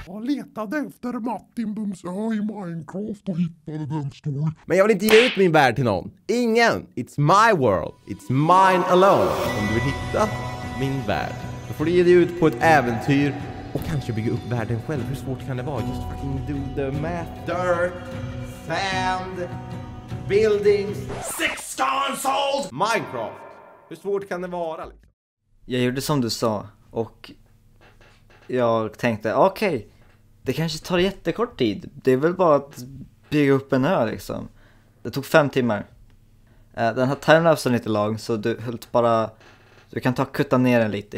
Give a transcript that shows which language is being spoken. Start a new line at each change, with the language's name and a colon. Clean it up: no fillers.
Swedish: Jag letade efter Martin Bums ö i Minecraft och hittade den stor. Men jag vill inte ge ut min värld till någon. Ingen.
English: It's my world. It's mine alone.
Swedish: Om du vill hitta min värld, då får du ge dig ut på ett äventyr och kanske bygga upp världen själv. Hur svårt kan det vara?
English: Just fucking do the math. Dirt, sand, buildings, six stars old
Swedish: Minecraft. Hur svårt kan det vara? Jag gjorde som du sa. Och jag tänkte, okej, det kanske tar jättekort tid. Det är väl bara att bygga upp en ö liksom. Det tog 5 timmar. Den här timelapsen är lite lång, så du höll bara, du kan ta kutta ner den lite.